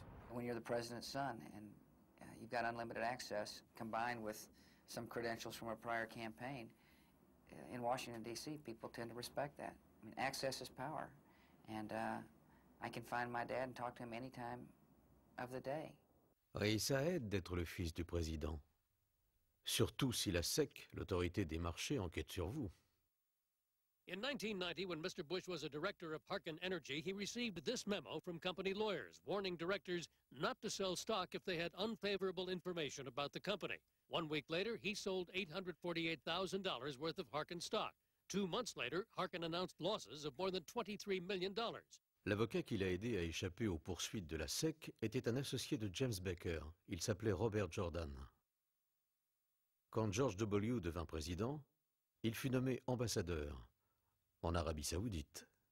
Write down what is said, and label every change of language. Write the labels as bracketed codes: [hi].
[en] When you're the president's son and you've got unlimited access combined with some credentials from a prior campaign in Washington D.C., people tend to respect that. I mean, access is power, and I can find my dad and talk to him any time of the day. [fr] Oui, ça aide d'être le fils du président. Surtout si la SEC, l'autorité des marchés, enquête sur vous. [en] In 1990, when Mr. Bush was a director of Harkin Energy, he received this memo from company lawyers, warning directors not to sell stock if they had unfavorable information about the company. One week later, he sold $848,000 worth of Harkin stock. 2 months later, Harkin announced losses of more than $23 million. [fr] L'avocat qui l'a aidé à échapper aux poursuites de la SEC était un associé de James Baker. Il s'appelait Robert Jordan. Quand George W. devint président, il fut nommé ambassadeur en Arabie Saoudite.